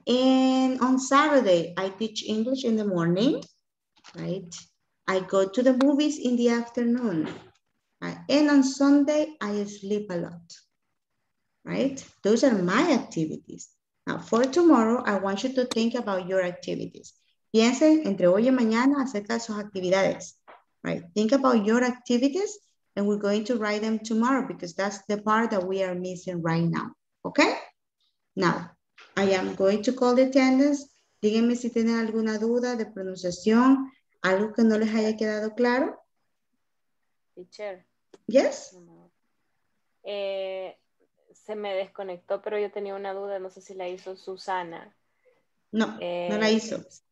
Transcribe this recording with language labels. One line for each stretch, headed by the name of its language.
English: And on Saturday, I teach English in the morning, right? I go to the movies in the afternoon. And on Sunday, I sleep a lot, right? Those are my activities. Now, for tomorrow, I want you to think about your activities.
Spanish: Piensen entre hoy y mañana acerca de sus actividades, right?
English: Think about your activities, and we're going to write them tomorrow because that's the part that we are missing right now, okay? Now, I am going to call the attendance.
Spanish: Díganme si tienen alguna duda de pronunciación, algo que no les haya quedado claro.
English: Teacher. Yes.
Spanish: Se me desconectó, pero yo tenía una duda. No sé si la hizo Susana. No, no la hizo.